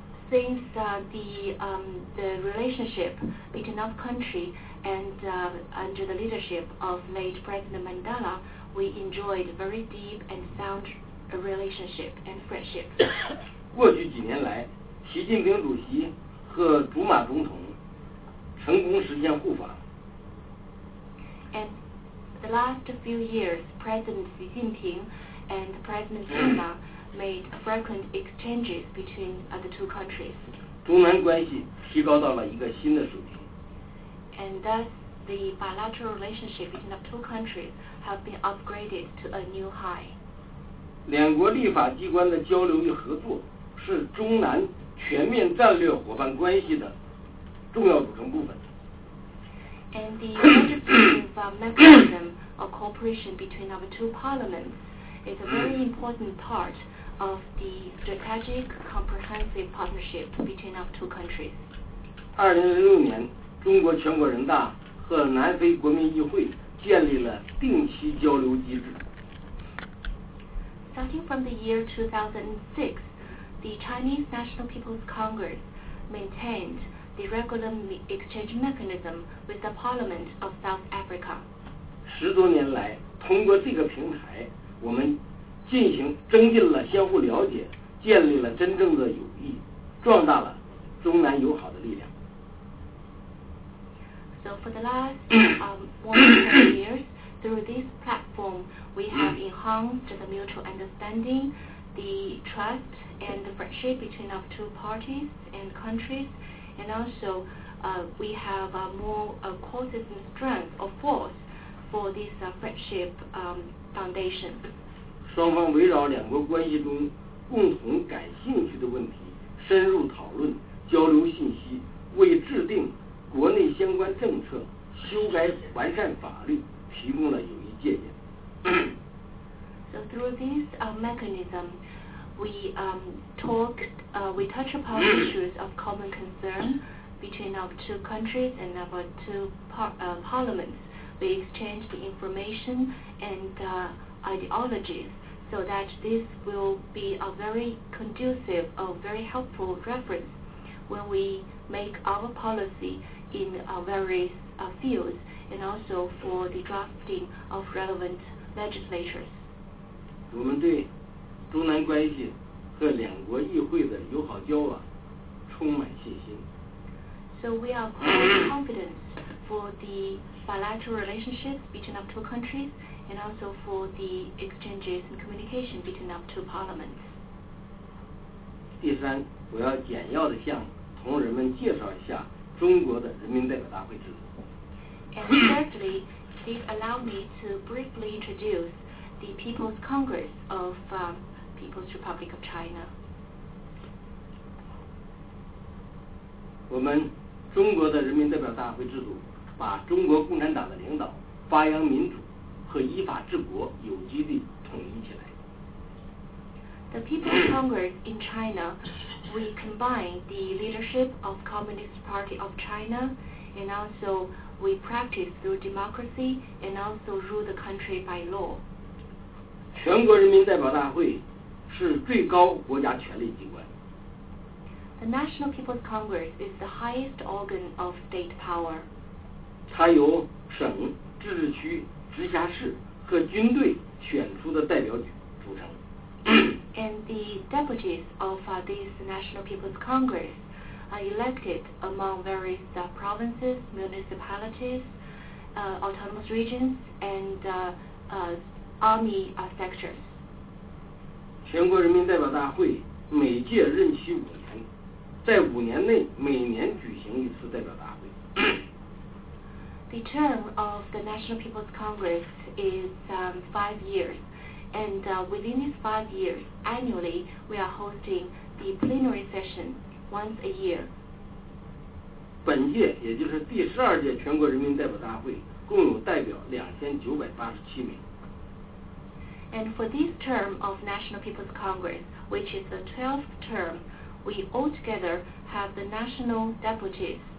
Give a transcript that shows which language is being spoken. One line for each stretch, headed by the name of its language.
English: Since the relationship between our country and under the leadership of late President Mandela, we enjoyed very deep and sound relationship and friendship.
Chinese: 过去几年来，习近平主席和祖马总统成功实现互访。
English: And the last few years, President Xi Jinping and President Zuma made frequent exchanges between the two countries.
Chinese: 中南关系提高到了一个新的水平。
English: And thus, the bilateral relationship between the two countries have been upgraded to a new high.
Chinese: 两国立法机关的交流与合作是中南全面战略伙伴关系的重要组成部分。
English: And the legislative mechanism of cooperation between our two parliaments is a very important part of the strategic comprehensive partnership between our two countries.
Chinese: 2006年，中国全国人大和南非国民议会建立了定期交流机制。
English: Starting from the year 2006, the Chinese National People's Congress maintained the regular exchange mechanism with the Parliament of South Africa.
Chinese: 10多年来，通过这个平台，我们进行增进了相互了解，建立了真正的友谊，壮大了中南友好的力量。
English: So for the last more than 10 years, through this platform, we have enhanced the mutual understanding, the trust, and the friendship between our two parties and countries, and also we have more causes and strength or force for this friendship foundation.
Chinese: 双方围绕两国关系中共同感兴趣的问题深入讨论，交流信息，为制定国内相关政策、修改完善法律提供了有益借鉴。
English: So through this mechanism, we touch upon issues of common concern between our two countries and our two parliaments. We exchange the information and ideologies. So that this will be a very conducive, a very helpful reference when we make our policy in various fields and also for the drafting of relevant legislatures.
Chinese: 我们对中南关系和两国议会的友好交往充满信心。
English: So we are quite confident for the bilateral relationships between our two countries. And also for the exchanges and communication between our two parliaments.
Chinese: 第三，我要简要地向同仁们介绍一下中国的人民代表大会制度。
English: And thirdly, please allow me to briefly introduce the People's Congress of People's Republic of China.
Chinese: 我们中国的人民代表大会制度把中国共产党的领导发扬民主。和依法治国有机地统一起来。
English: The People's Congress in China, we combine the leadership of Communist Party of China, and also we practice through democracy, and also rule the country by law.
Chinese: 全国人民代表大会是最高国家权力机关。
English: The National People's Congress is the highest organ of state power.
Chinese: 它由省、自治区。直辖市和军队选出的代表组成。
English: And the deputies of this National People's Congress are elected among various provinces, municipalities, autonomous regions, and army sectors.
Chinese: 全国人民代表大会每届任期五年，在五年内每年举行一次代表大会。
English: The term of the National People's Congress is five years, and within these 5 years, annually, we are hosting the plenary session once a year.
Chinese: 本届也就是第十二届全国人民代表大会共有代表2987名。
English: And for this term of National People's Congress, which is the 12th term, we altogether have the national deputies.